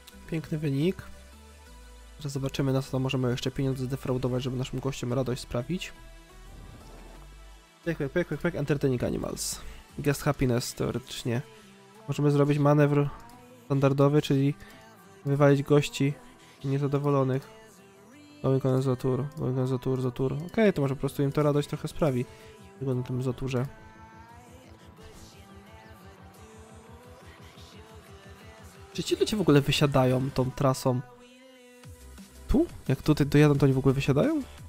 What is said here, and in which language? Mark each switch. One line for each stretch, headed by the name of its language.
Polish: Piękny wynik. Teraz zobaczymy, na co to możemy jeszcze pieniądze zdefraudować, żeby naszym gościom radość sprawić.
English: Pek, pek, pek, pek, pek, entertaining animals. Guest happiness, teoretycznie.
Polish: Możemy zrobić manewr standardowy, czyli wywalić gości niezadowolonych.
English: Going on the tour, going on the tour, the tour.
Polish: Okej, to może po prostu im to radość trochę sprawi. Wygląda na tym zoturze. Czy ci ludzie w ogóle wysiadają tą trasą? Tu? Jak tutaj dojadą, to oni w ogóle wysiadają?